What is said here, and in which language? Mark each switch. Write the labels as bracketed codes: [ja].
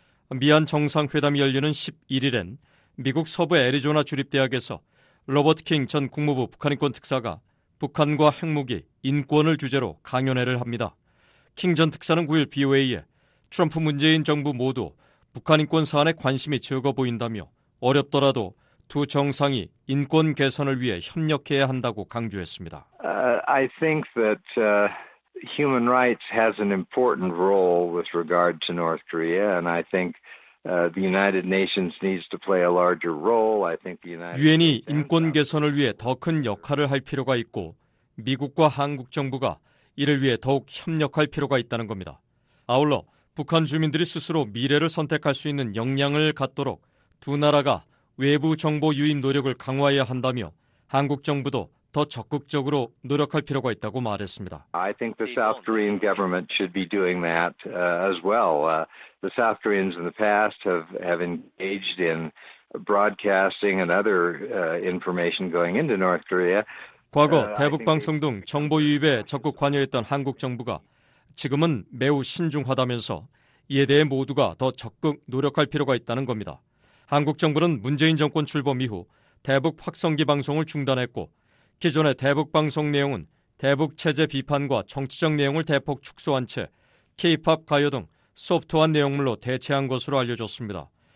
[ko] 미한 정상회담이 열리는 11일엔 미국 서부 애리조나 주립대학에서 로버트 킹 전 국무부 북한인권 특사가 북한과 핵무기, 인권을 주제로 강연회를 합니다. 킹 전 특사는 9일 BOA에 트럼프 문재인 정부 모두 북한 인권 사안에 관심이 적어 보인다며 어렵더라도 두 정상이 인권 개선을 위해 협력해야 한다고 강조했습니다. [en] I think that human rights has an important role with regard to North Korea and I think the United Nations needs to play a larger role. I think the United [ko] 유엔이 인권 개선을 위해 더 큰 역할을 할 필요가 있고 미국과 한국 정부가 이를 위해 더욱 협력할 필요가 있다는 겁니다. 아울러 북한 주민들이 스스로 미래를 선택할 수 있는 역량을 갖도록 두 나라가 외부 정보 유입 노력을 강화해야 한다며 한국 정부도 더 적극적으로 노력할 필요가 있다고 말했습니다. I think the South Korean government should be doing that as well. The South Koreans in the past have engaged in broadcasting and other information going into North Korea. 과거 대북 방송 등 정보 유입에 적극 관여했던 한국 정부가 지금은 매우 신중하다면서 이에 대해 모두가 더 적극 노력할 필요가 있다는 겁니다. 한국 정부는 문재인 정권 출범 이후 대북 확성기 방송을 중단했고 기존의 대북 방송 내용은 대북 체제 비판과 정치적 내용을 대폭 축소한 채 K-POP 가요 등 소프트한 내용물로 대체한 것으로 알려졌습니다.